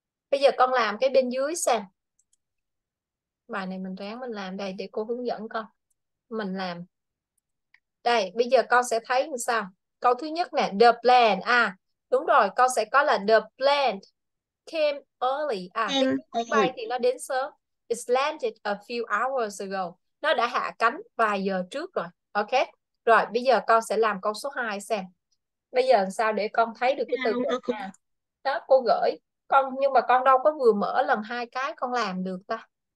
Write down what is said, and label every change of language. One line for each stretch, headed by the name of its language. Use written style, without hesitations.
Vietnamese: Bây giờ con làm cái bên dưới xem. Bài này mình ráng mình làm đây để cô hướng dẫn con. Mình làm. Đây, bây giờ con sẽ thấy như sao. Câu thứ nhất nè,
English: the plan.
Vietnamese: À, đúng rồi, con sẽ có là
English: the plane came early.
Vietnamese: À, cái Em máy bay thì nó đến sớm.
English: It landed a few hours ago.
Vietnamese: Nó đã hạ cánh vài giờ trước rồi. Ok. Rồi, bây giờ con sẽ làm câu số 2 xem. Bây giờ làm sao để con thấy được cái từ ơi. nè. Đó, cô gửi. Con, nhưng mà con đâu có vừa mở lần hai cái con làm được ta.